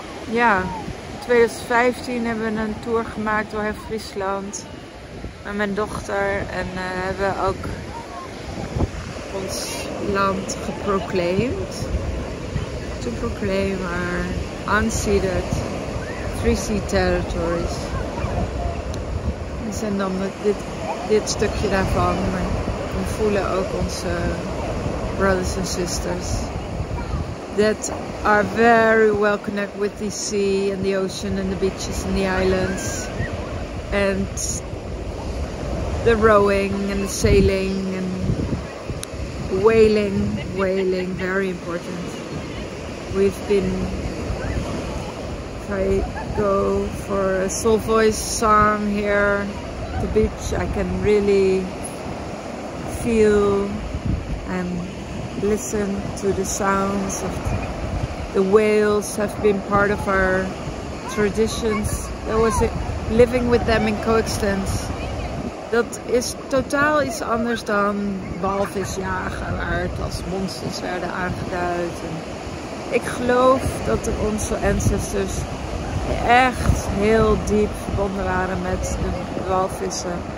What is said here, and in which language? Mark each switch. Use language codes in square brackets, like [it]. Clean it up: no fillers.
[nl] Ja, in 2015 hebben we een tour gemaakt door heel Friesland met mijn dochter en hebben we ook ons land geproclaimed. [en] To proclaim our unceded Three Sea Territories. [nl] We zijn dan met dit stukje daarvan, maar we voelen ook onze [en] brothers and sisters. That are very well connected with the sea and the ocean and the beaches and the islands and the rowing and the sailing and whaling, very important. We've been, if I go for a soul voice song here at the beach, I can really feel and listen to the sounds of the whales have been part of our traditions. There was it living with them in coexistence. [nl] Dat is totaal iets anders dan walvisjagen, waar het als monsters werden aangeduid. En ik geloof dat onze ancestors echt heel diep verbonden waren met de walvissen.